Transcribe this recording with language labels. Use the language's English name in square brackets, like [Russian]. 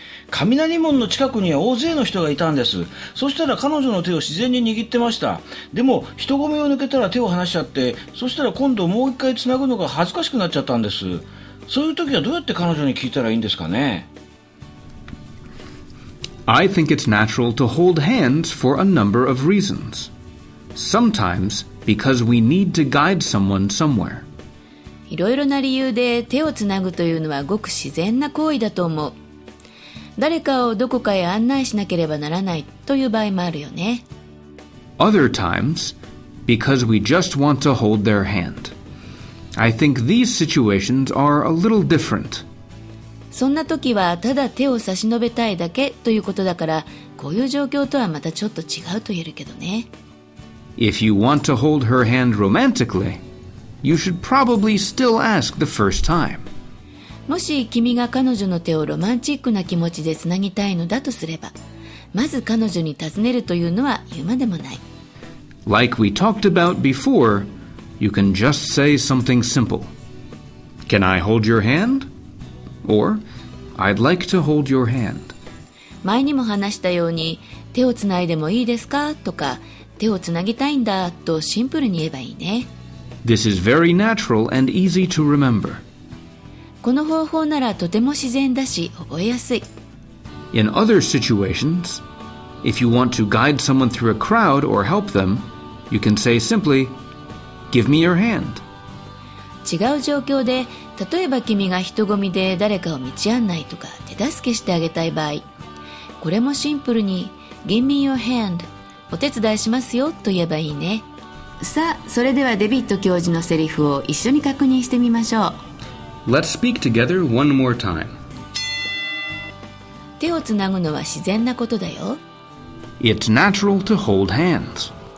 [Japanese] 雷門の近くには大勢の人がいたんです。そしたら彼女の手を自然に握ってました。でも人混みを抜けたら手を離しちゃって、そしたら今度もう一回つなぐのが恥ずかしくなっちゃったんです。そういう時はどうやって彼女に聞いたらいいんですかね。 [English] I think it's natural to hold hands for a number of reasons. Sometimes because we need to guide someone somewhere. [Japanese] いろいろな理由で手をつなぐというのはごく自然な行為だと思う。誰かをどこかへ案内しなければならないという場合もあるよね。 [English] Other times, because we just want to hold their hand. I think these situations are a little different. [Japanese] そんな時はただ手を差し伸べたいだけということだから、こういう状況とはまたちょっと違うと言えるけどね。 [English] If you want to hold her hand romantically, you should probably still ask the first time. [Japanese] もし君が彼女の手をロマンチックな気持ちでつなぎたいのだとすれば、まず彼女に尋ねるというのは言うまでもない。 [English] Like we talked about before, you can just say something simple. Can I hold your hand? Or, I'd like to hold your hand. [Japanese] 前にも話したように、手をつないでもいいですか? とか、手をつなぎたいんだとシンプルに言えばいいね。 [English] This is very natural and easy to remember. [Japanese] この方法ならとても自然だし覚えやすい。 [English] In other situations, if you want to guide someone through a crowd or help them, you can say simply, "Give me your hand." [Japanese] 違う状況で、例えば君が人混みで誰かを道案内とか手助けしてあげたい場合、これもシンプルに、 [English] "Give me your hand." [Japanese] お手伝いしますよと言えばいいね。さあ、それではデビット教授のセリフを一緒に確認してみましょう。 [English] Let's speak together one more time. [Japanese] 手をつなぐのは自然なことだよ。 [English] It's natural to hold hands.